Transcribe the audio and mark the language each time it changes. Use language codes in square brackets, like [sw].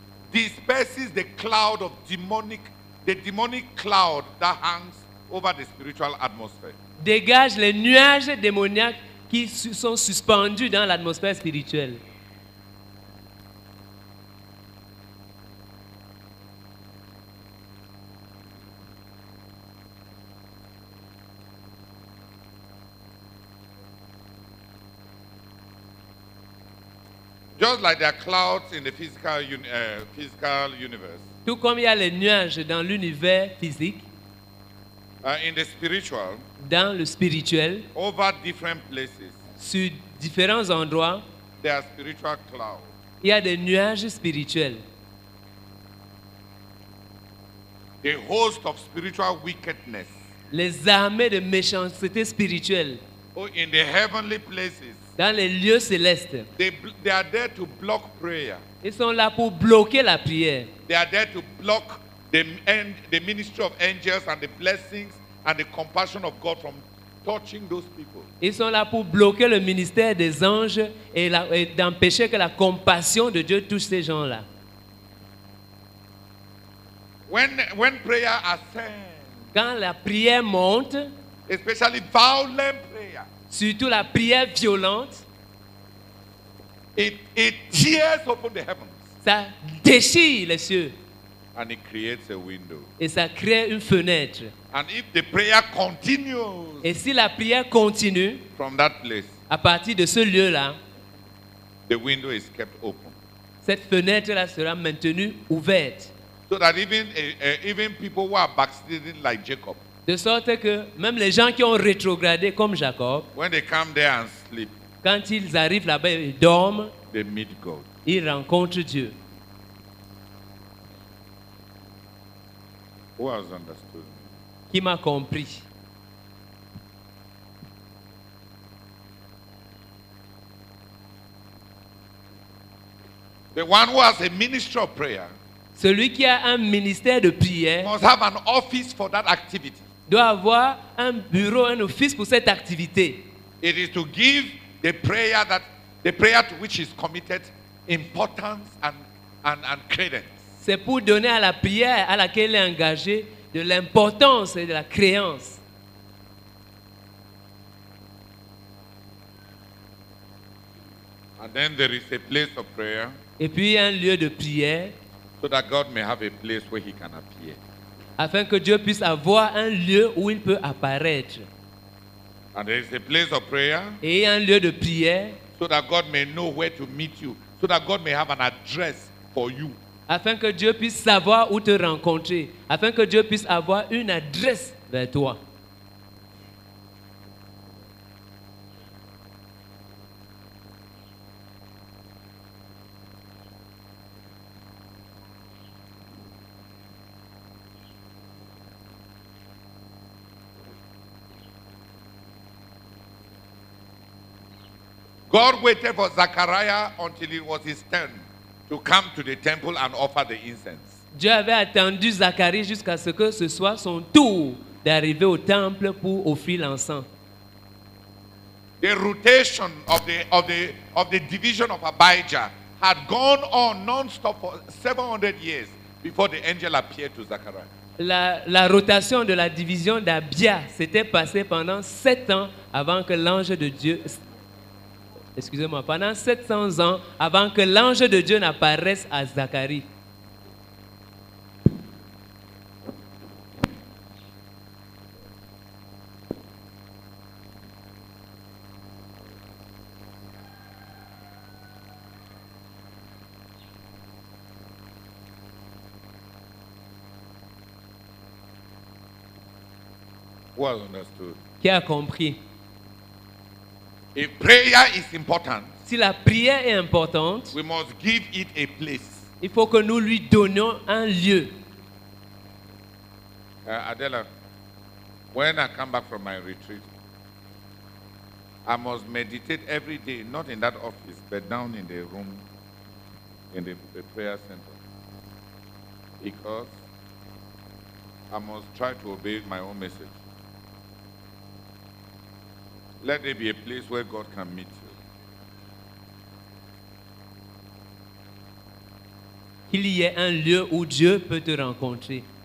[en] Disperses the cloud of the demonic cloud that hangs over the spiritual atmosphere. [fr] Dégage les nuages démoniaques qui sont suspendus dans l'atmosphère spirituelle. [en] Just like there are clouds in the physical universe. [fr] Tout comme il y a les nuages dans l'univers physique. [en] In the spiritual. [fr] Dans le spirituel. [en] Over different places. [fr] Sur différents endroits. [en] There are spiritual clouds. [fr] Il y a des nuages spirituels. [en] The host of spiritual wickedness. [fr] Les armées de méchanceté spirituelle. [en] Oh, in the heavenly places. [fr] Dans les lieux célestes. [en] They are there to block prayer. [fr] Ils sont là pour bloquer la prière. [en] They are there to block the ministry of angels and the blessings and the compassion of God from touching those people. [fr] Ils sont là pour bloquer le ministère des anges et d'empêcher que la compassion de Dieu touche ces gens-là. [en] When prayer ascends, [fr] quand la prière monte, [en] especially violent prayer, [fr] surtout la prière violente, [en] it tears open the heavens. [fr] Ça déchire les cieux. [en] And it creates a window. [fr] Et ça crée une fenêtre. [en] And if the prayer continues, [fr] et si la prière continue, [en] from that place, [fr] à partir de ce lieu-là, [en] the window is kept open. [fr] Cette fenêtre-là sera maintenue ouverte. [en] So that even people who are backsliding like Jacob, [fr] de sorte que même les gens qui ont rétrogradé comme Jacob, [en] when they come there and sleep, [fr] quand ils arrivent là-bas et dorment, [en] they meet God. [fr] Ils rencontrent Dieu. [en] Who has understood? [fr] Qui m'a compris? [en] The one who has a ministry of prayer, [fr] celui qui a un ministère de prière, [en] must have an office for that activity. [fr] Doit avoir un bureau, un office pour cette activité. [en] It is to give the prayer that the prayer to which is committed importance and credence. [fr] C'est pour donner à la prière à laquelle il est engagé de l'importance et de la créance. [en] And then there is a place of prayer. [fr] Et puis un lieu de prière. [en] So that God may have a place where he can appear. [fr] Afin que Dieu puisse avoir un lieu où il peut apparaître. [en] And there is a place of prayer. [fr] Et un lieu de prière. [en] So that God may know where to meet you. So that God may have an address for you. [fr] Afin que Dieu puisse savoir où te rencontrer, afin que Dieu puisse avoir une adresse vers toi. [en] God waited for Zachariah until it was his turn to come to the temple and offer the incense. [fr] Dieu avait attendu Zacharie jusqu'à ce que ce soit son tour d'arriver au temple pour offrir l'encens. [en] The rotation of the division of Abijah had gone on non-stop for 700 years before the angel appeared to Zachariah. [fr] La rotation de la division d'Abijah s'était passée pendant 7 ans avant que l'ange de Dieu pendant 700 ans avant que l'ange de Dieu n'apparaisse à Zacharie. [en] Well understood. [fr] Qui a compris? [en] If prayer is important, [fr] si la prière est importante, [en] we must give it a place. [fr] Il faut que nous lui donnions un lieu. [en] Adela, when I come back from my retreat, I must meditate every day, not in that office, but down in the room, in the prayer center. Because I must try to obey my own message. Let there be a place where God can meet you. [fr] Qu'il y ait un lieu où Dieu peut te rencontrer.